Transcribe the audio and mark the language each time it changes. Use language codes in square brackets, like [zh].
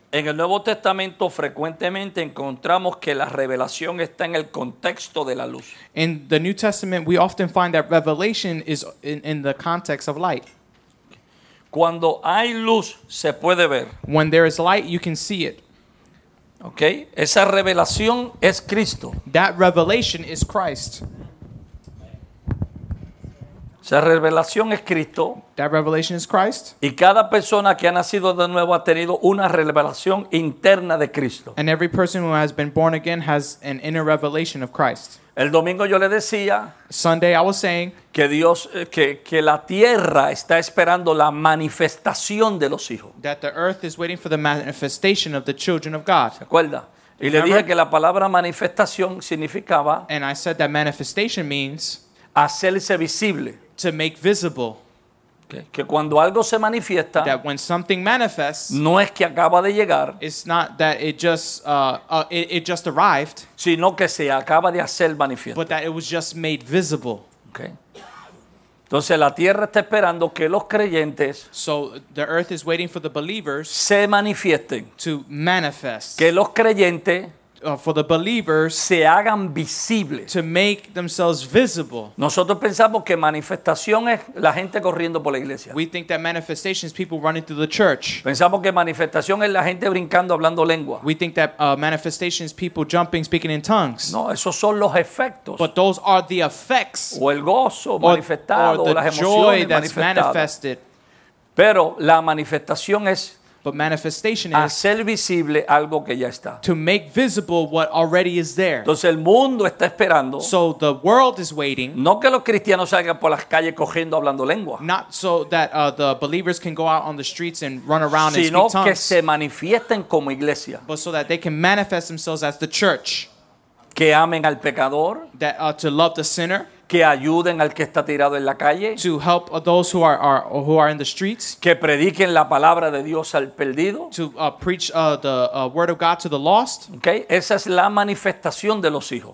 [es] En el Nuevo Testamento frecuentemente encontramos que la revelación está en el contexto de la luz. [en] In the New Testament, we often find that revelation is in the context of light. [es] Cuando hay luz, se puede ver. [en] When there is light, you can see it. [es] Okay, esa revelación es Cristo. [en] That revelation is Christ. [es] Esa revelación es Cristo. [en] That revelation is Christ. [es] Y cada persona que ha nacido de nuevo ha tenido una revelación interna de Cristo. [en] And every person who has been born again has an inner revelation of Christ. [es] El domingo yo le decía, [en] Sunday I was saying, [es] que Dios, que la tierra está esperando la manifestación de los hijos. [en] That the earth is waiting for the manifestation of the children of God. [es] ¿Se acuerda? Y le dije que la palabra manifestación significaba, [en] and I said that manifestation means, [es] hacerse visible. [en] To make visible. [es] Okay. Que cuando algo se manifiesta, [en] that when something manifests, [es] no es que acaba de llegar, [en] it's not that it just arrived, [es] sino que se acaba de hacer manifiesto. [en] But that it was just made visible. Okay. [es] Entonces la tierra está esperando que los creyentes, [en] so the earth is waiting for the believers, [es] se manifiesten, [en] to manifest, [es] que los creyentes, [en] for the believers, [es] se hagan visible, [en] to make themselves visible. [es] Nosotros pensamos que manifestación es la gente corriendo por la iglesia. [en] We think that manifestation is people running through the church. [es] Pensamos que manifestación es la gente brincando hablando lengua. [en] We think that manifestation is people jumping, speaking in tongues. [es] No, esos son los efectos. [en] But those are the effects. [es] O el gozo manifestado, [en] or the [es] las emociones [en] joy that's manifested. [es] Pero la manifestación es, [en] but manifestation is [es] hacer visible algo que ya está. [en] To make visible what already is there. [es] Entonces el mundo está esperando. [en] So the world is waiting. [es] No que los cristianos salgan por las calles cogiendo hablando lengua. [en] Not so that the believers can go out on the streets and run around, [es] sino [en] and speak tongues. [es] Sino que se manifiesten como iglesia. [en] But so that they can manifest themselves as the church. [es] Que amen al pecador. [en] That to love the sinner. [es] Que ayuden al que está tirado en la calle. [en] To help those who are in the streets. [es] Que prediquen la palabra de Dios al perdido. [en] To preach the word of God to the lost. [es] Okay, esa es la manifestación de los hijos.